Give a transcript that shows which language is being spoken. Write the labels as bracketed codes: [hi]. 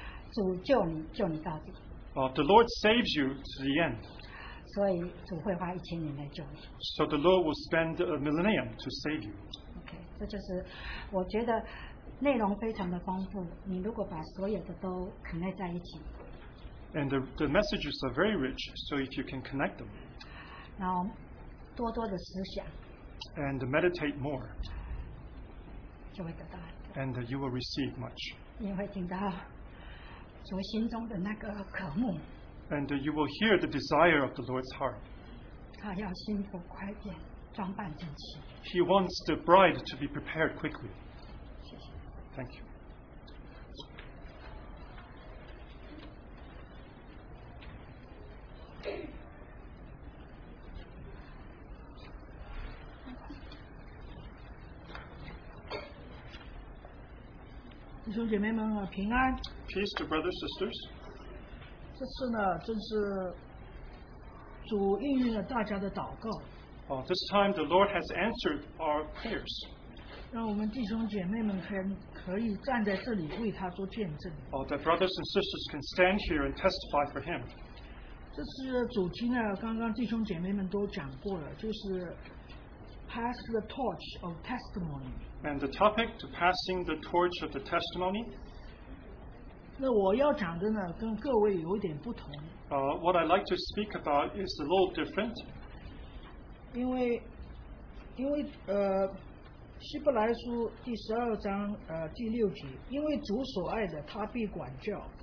[zh] 主救你，救你到底。 [en] The Lord saves you to the end. [zh] 所以主会花一千年来救你。 [en] So the Lord will spend a millennium to save you. [zh] Okay, 这就是我觉得内容非常的丰富。你如果把所有的都 connect 在一起。 [en] And the messages are very rich, so if you can connect them. [zh] 然后多多的思想。 [en] And meditate more. [zh] 就会得到。 [en] And you will receive much. [zh] 你会听到主心中的那个渴慕。 [en] And you will hear the desire of the Lord's heart. [zh] 他要新妇快点装扮整齐。 [en] He wants the bride to be prepared quickly. [zh] 谢谢。 [en] Thank you. Peace to brothers, sisters. [zh] 这次呢，真是主应允了大家的祷告。 [en] This time the Lord has answered our prayers. [zh] 让我们弟兄姐妹们可以站在这里为他做见证。 [en] That brothers and sisters can stand here and testify for him. [zh] 这是主题呢，刚刚弟兄姐妹们都讲过了，就是 [en] pass the torch of testimony. And the topic to passing the torch of the testimony. [zh] 那我要讲的呢，跟各位有点不同。 [en] What I'd like to speak about is a little different. [zh] 因为希伯来书第十二章第六节，因为主所爱的，他必管教。